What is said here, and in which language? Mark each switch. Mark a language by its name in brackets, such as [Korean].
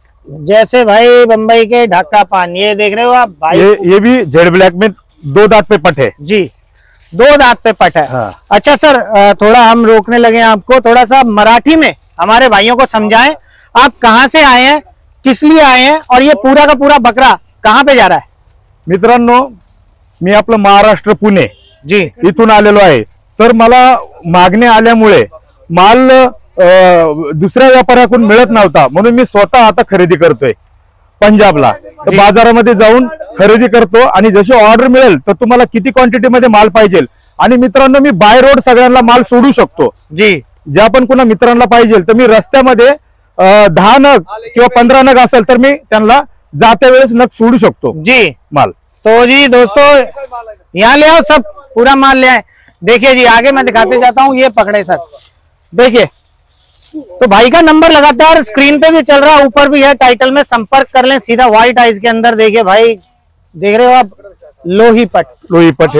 [Hindi] जैसे भाई बंबई के ढाका पान, ये देख रहे हो आप भाई, ये भी जेड ब्लैक में दो दांत पे पट है जी, दो दांत पे पट है। हाँ। अच्छा सर, थोड़ा हम रोकने लगे आपको, थोड़ा सा मराठी में हमारे भाइयों को समझाएं, आप कहाँ से आए हैं, किस लिए आए हैं, और ये पूरा का पूरा बकरा कहाँ पे जा रहा है? [Marathi] मित्रांनो, मी आपला महाराष्ट्र पुणे जी इथून आलेलो आहे। तर मला मागणी आल्यामुळे माल दुसऱ्या व्यापाऱ्याकडून मिळत नव्हता, म्हणून मी स्वतः आता खरेदी करतोय पंजाबला, बाजारामध्ये जाऊन खरेदी करतो, आणि जशी ऑर्डर मिळेल तर तुम्हाला किती क्वांटिटी मध्ये माल पाहिजे, आणि मित्रांनो मी बाय रोड सगळ्यांना माल सोडू शकतो जी, ज्या पण कोणा मित्रांना पाहिजे तर मी रस्त्यामध्ये 10 नग किंवा 15 नग असेल तर मी त्यांना जाते वेळेस नग सोडू शकतो जी माल। [Hindi] तो जी दोस्तो यहाँ ले आओ, सब पूरा माल ले आए। देखिए जी आगे मैं दिखाते जाता हूँ, ये पकड़े सर देखिए। तो भाई का नंबर लगातार स्क्रीन पे भी चल रहा है, ऊपर भी है टाइटल में, संपर्क कर लें सीधा व्हाइट आइज के अंदर। देखिए भाई, देख रहे हो आप, लोही पट